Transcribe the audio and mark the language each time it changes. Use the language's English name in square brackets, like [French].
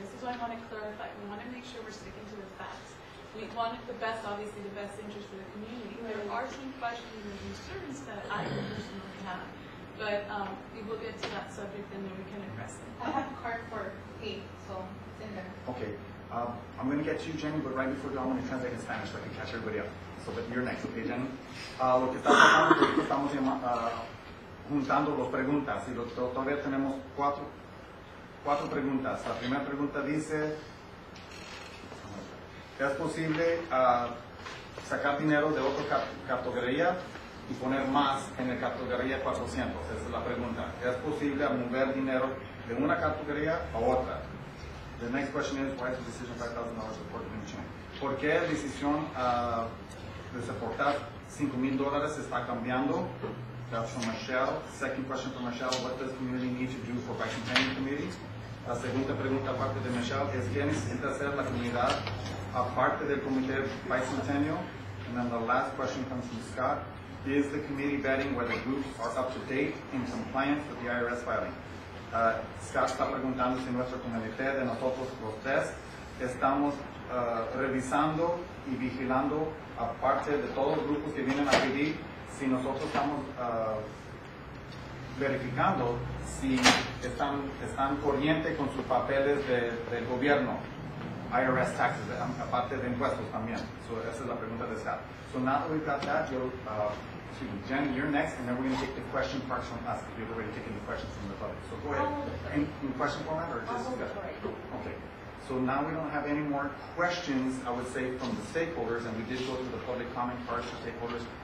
[English] This is why I want to clarify. We want to make sure we're sticking to the facts. We want the best, obviously, the best interest for the community. Right. There are some questions and concerns that I personally have, but we will get to that subject and then we can address it. I have a card for Kate, so it's in there. Okay. I'm going to get to you, Jenny, but right before that, I'm going to translate in Spanish so I can catch everybody up. So, but you're next, okay, Jenny? [Spanish] Lo que estamos hablando es que estamos juntando las preguntas y todavía tenemos cuatro preguntas. La primera pregunta dice, es posible sacar dinero de otro categoría y poner más en el categoría 400? Esa es la pregunta. ¿Es posible mover dinero de una categoría a otra? [English] The next question is, why is the decision $5,000 for the Committee Chair? [Spanish] ¿Por qué la decisión de soportar $5,000 está cambiando? [English] That's from Michelle. Second question from Michelle, what does the community need to do for the Bicentennial Committee? [Spanish] La segunda pregunta aparte de Michelle es, ¿qué necesita hacer la comunidad aparte del Comité Bicentennial? [English] And then the last question comes from Scott. Is the committee vetting whether groups are up to date in compliance with the IRS filing? [Spanish] Scott está preguntando si nuestro comité de nosotros los tres estamos revisando y vigilando aparte de todos los grupos que vienen a pedir si nosotros estamos verificando si están corriente con sus papeles del gobierno. IRS taxes, aparte de impuestos también. So esa es la pregunta de Scott. [English] So now that we've got that, Jen, you're next, and then we're going to take the question parts from us. You've already taken the questions from the public. So go ahead. Any question format or just? Right. Okay. So now we don't have any more questions, I would say, from the stakeholders, and we did go through the public comment parts for stakeholders.